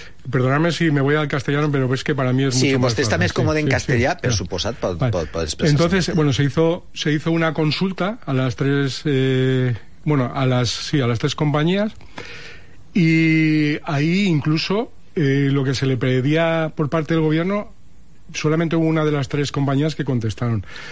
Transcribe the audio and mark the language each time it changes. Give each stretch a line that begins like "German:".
Spanish: Perdonadme si me voy al castellano, pero es que para mí es sí, mucho más
Catalan: fácil. Sí, vostè també és còmode en castellà, sí, però suposat pot, vale. pot expressar.
Spanish: Entonces, bueno, se hizo una consulta a las tres... bueno, a las tres compañías, y ahí incluso lo que se le pedía por parte del gobierno, solamente hubo una de las tres compañías que contestaron.